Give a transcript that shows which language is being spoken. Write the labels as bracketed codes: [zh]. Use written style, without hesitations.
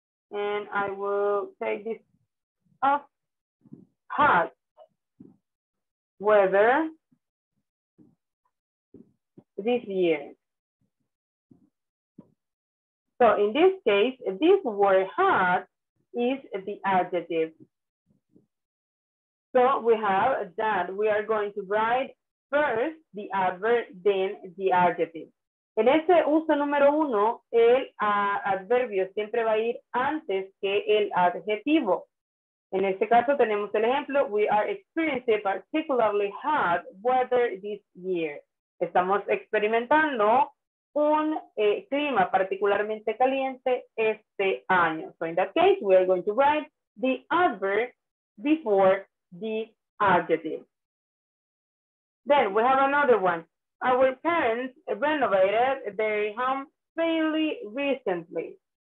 [en] And I will take this off. Hot, weather, this year. So in this case, this word hot is the adjective. So we have that. We are going to write first the adverb, then the adjective. [es] En ese uso número uno, el adverbio siempre va a ir antes que el adjetivo. En este caso tenemos el ejemplo, [en] we are experiencing particularly hot weather this year. [es] Estamos experimentando un clima particularmente caliente este año. [en] So in that case, we are going to write the adverb before the adjective. Then we have another one. Our parents renovated their home fairly recently.